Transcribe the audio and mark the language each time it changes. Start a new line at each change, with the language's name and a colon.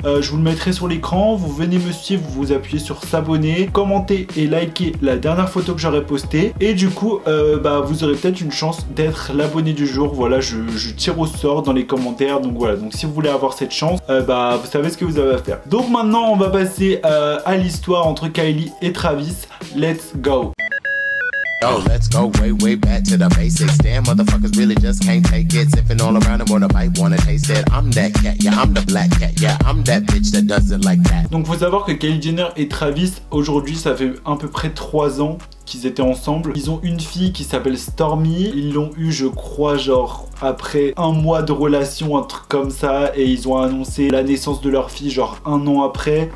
French: Je vous le mettrai sur l'écran. Vous venez me suivre, vous vous appuyez sur s'abonner, commenter et liker la dernière photo que j'aurai postée. Et du coup, vous aurez peut-être une chance d'être l'abonné du jour. Voilà, je tire au sort dans les commentaires, donc voilà. Donc si vous voulez avoir cette chance, vous savez ce que vous avez à faire. Donc maintenant on va passer à l'histoire entre Kylie et Travis.
English: Let's go. Oh, let's go way, way back to the basics. Damn, motherfuckers really just can't take it. Sipping all around and wanna bite, wanna taste it. I'm that cat, yeah, I'm the black cat. Yeah, I'm that bitch that does it like that.
French: Donc faut savoir que Kylie Jenner et Travis, aujourd'hui ça fait à peu près 3 ans qu'ils étaient ensemble. Ils ont une fille qui s'appelle Stormy. Ils l'ont eu, je crois, genre après un mois de relation, un truc comme ça, et ils ont annoncé la naissance de leur fille genre un an après.